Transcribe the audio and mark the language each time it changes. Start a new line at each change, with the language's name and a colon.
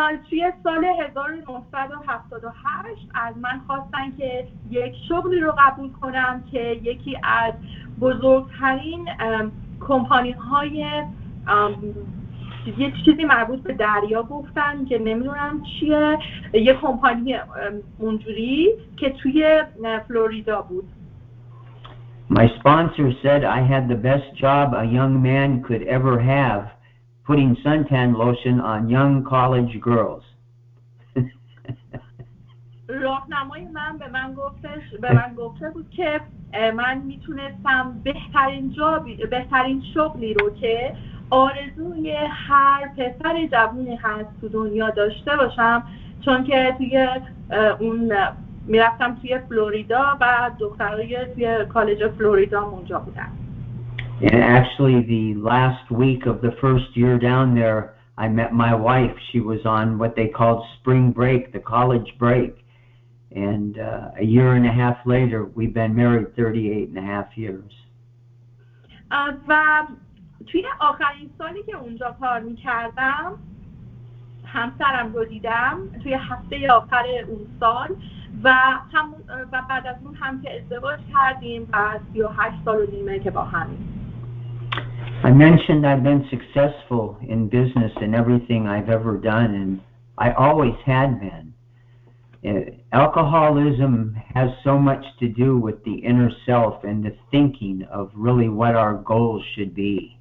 Persian: توی سال 1978 از من خواستن که یک شغلی رو قبول کنم که یکی از بزرگترین کمپانی‌های یه چیزی مربوط به دریا گفتن که نمیدونم چیه، یه کمپانی اونجوری که توی فلوریدا بود.
English: My sponsor said I had the best job a young man could ever have, putting suntan lotion on young college girls.
Persian: راهنمای من به من گفتش به من گفته بود که من میتونستم بهترین جابی بهترین شغلی رو که آرزوی هر پسر جوونی هست تو دنیا داشته باشم، چون که توی اون میرفتم توی فلوریدا و دخترای توی کالج فلوریدا اونجا بودن.
English: And actually the last week of the first year down there I met my wife. She was on what they called spring break, the college break. And a year and a half later, we've been married 38 and a half years.
Persian: و توی آخرین سالی که اونجا کار میکردم، همسرم رو دیدم توی هفته آخر اون سال و بعد از اون هم که ازدواج کردیم و 38 سال و نیمه که با همیم.
English: I mentioned I've been successful in business and everything I've ever done, and I always had been. Alcoholism has so much to do with the inner self and the thinking of really what our goals should be.